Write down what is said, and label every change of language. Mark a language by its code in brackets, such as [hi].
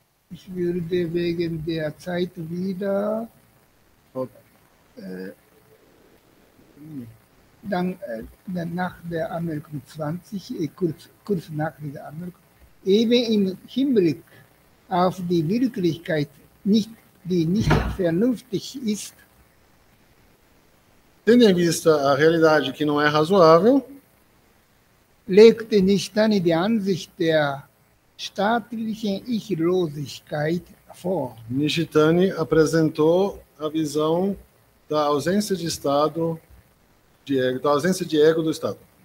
[de] Ich würde wegen der Zeit wieder nach der Anmerkung 20, kurz nach dieser Anmerkung, eben im Hinblick auf die Wirklichkeit, die nicht vernünftig ist. [pt] Tendo em vista a realidade que não é razoável, [de] legte Nishtani die Ansicht der staatliche Ichlosigkeit vor. [pt] Nishitani apresentou a visão da ausência de Estado, de ego, da ausência de ego do Estado.